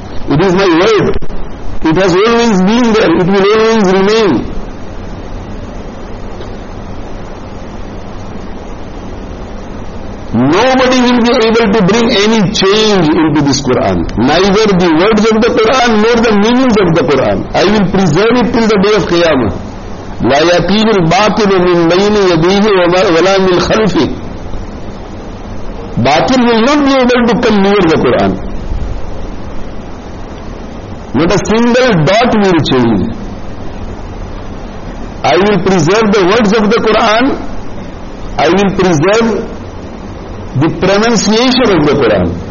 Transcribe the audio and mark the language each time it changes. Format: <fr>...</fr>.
<en>It is my word. It has always been there. It will always remain. Nobody will be able to bring any change into this Quran. Neither the words of the Quran nor the meanings of the Quran. I will preserve it till the day of Qiyamah.</en> <ar>لا يقين الباطل من بين يديه ولا من خلفه.</ar> <en>Batil will not be able to come near the Quran. Not a single dot will change. I will preserve the words of the Quran. I will preserve the pronunciation of the Quran.</en>